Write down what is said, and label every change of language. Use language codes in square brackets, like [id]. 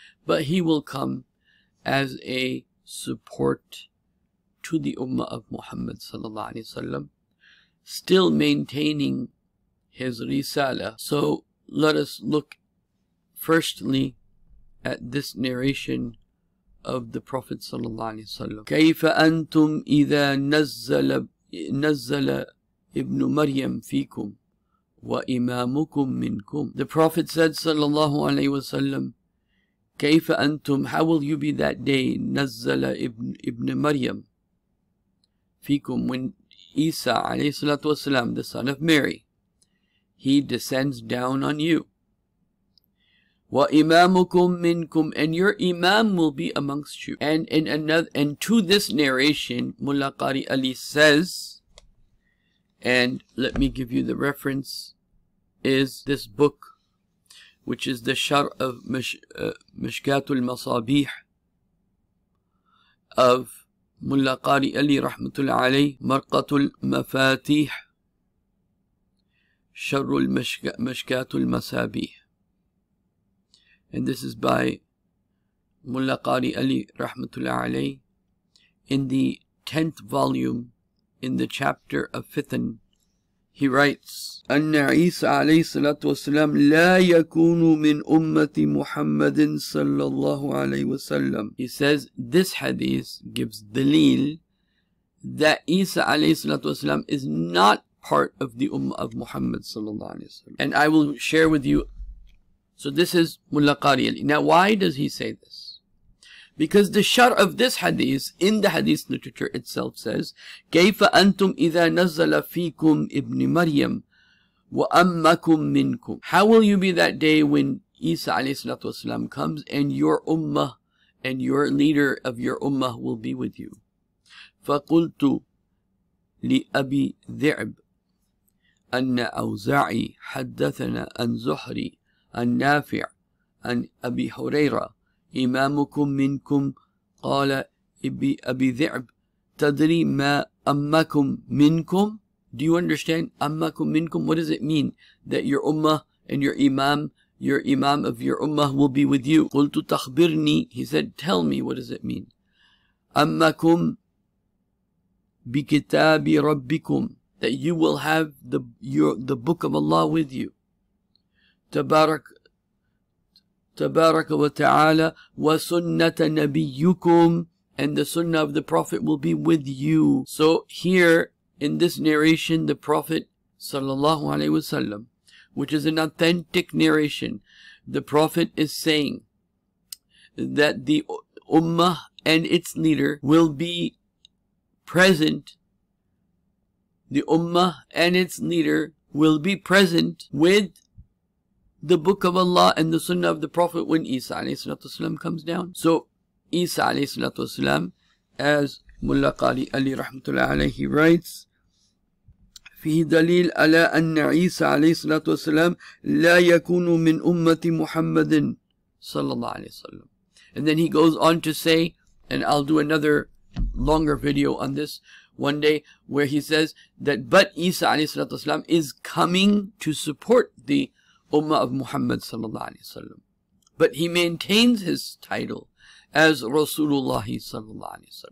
[en] But he will come as a support to the Ummah of Muhammad sallallahu alaihi wasallam, still maintaining his risala. So let us look firstly at this narration of the Prophet sallallahu alaihi wasallam. [ar] كيف أنتم إذا نزل ابن مريم فيكم وإمامكم منكم. [en] The Prophet said sallallahu alaihi wasallam, [ar] كيف أنتم, [en] how will you be that day, [ar] نزل ابن مريم فيكم, [en] when Isa [ar] عليه الصلاة والسلام, [en] the son of Mary, he descends down on you. [ar] وإمامكم منكم, [en] and your imam will be amongst you. And in another, and to this narration, Mullah Qari Ali says, and let me give you the reference, is this book, which is the Shar' of Mishkatul Masabih of Mulla Qari Ali Rahmatul Alayh, Marqatul Mafatih, Shar'ul Mishkatul Masabih. And this is by Mulla Qari Ali Rahmatul Alayh in the 10th volume in the chapter of Fithan. He writes, [ar] أَنَّ عِيسَى عَلَيْهِ الصَّلَاةُ وَالسَّلَامُ لَا يَكُونُ مِنْ أُمَّةِ مُحَمَّدٍ صَلَّى اللَّهُ عَلَيْهِ وَسَلَّمُ. [en] He says, this hadith gives Daleel that Isa [ar] عَلَيْهِ الصَّلَاةُ وَالسَّلَامُ [en] is not part of the Ummah of Muhammad [ar] صلى الله عليه وسلم. [en] And I will share with you, so this is Mulla Qari Ali. Now why does he say this? Because the shar of this hadith in the hadith literature itself says, [ar] كيف أنتم إذا نزل فيكم ابن مريم وأمكم منكم. [en] How will you be that day when Isa [ar] عليه الصلاة والسلام [en] comes and your ummah and your leader of your ummah will be with you? [ar] فقلت لأبي ذعب أن أوزعي حدثنا أن زهري أن نافع أن أبي هريرة إمامكم منكم قال أبي ذعب تدري ما أمكم منكم. [en] Do you understand [ar] أمكم منكم? [en] What does it mean that your ummah and your imam of your ummah will be with you? [ar] قلت تخبرني. [en] He said, tell me, what does it mean? [ar] أمكم بكتاب ربكم, [en] that you will have the book of Allah with you. [ar] تبارك وتعالى وسنة نبيكم, [en] and the sunnah of the Prophet will be with you. So here in this narration, the Prophet sallallahu alaihi wasallam, which is an authentic narration, the Prophet is saying that the Ummah and its leader will be present. The Ummah and its leader will be present with the Book of Allah and the Sunnah of the Prophet when Isa alayhi salatu wasalam comes down. So Isa alayhi salatu wasalam, as Mulla Qali Ali rahmatullah alayhi writes, [ar] في دليل على أن عيسى عليه الصلاة والسلام لا يكون من أمة محمد صلى الله عليه وسلم. [en] And then he goes on to say, and I'll do another longer video on this one day, where he says that but Isa [ar] عليه الصلاة والسلام [en] is coming to support the Ummah of Muhammad [ar] صلى الله عليه وسلم. [en] But he maintains his title as Rasulullah [ar] صلى الله عليه وسلم.